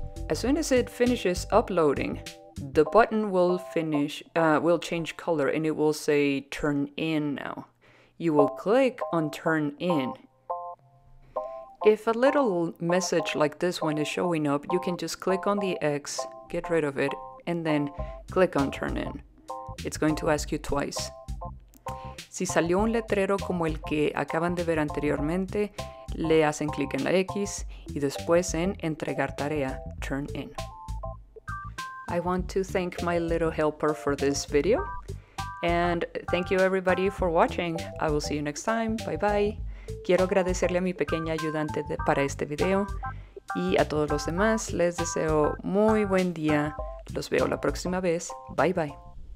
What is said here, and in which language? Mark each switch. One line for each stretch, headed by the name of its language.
English: As soon as it finishes uploading, the button will change color and it will say turn in now. You will click on turn in. If a little message like this one is showing up, you can just click on the X, get rid of it, and then click on turn in. It's going to ask you twice.
Spanish: Si salió un letrero como el que acaban de ver anteriormente, le hacen clic en la X y después en Entregar Tarea, Turn In.
English: I want to thank my little helper for this video. And thank you everybody for watching. I will see you next time. Bye bye.
Spanish: Quiero agradecerle a mi pequeña ayudante para este video. Y a todos los demás, les deseo muy buen día. Los veo la próxima vez. Bye bye.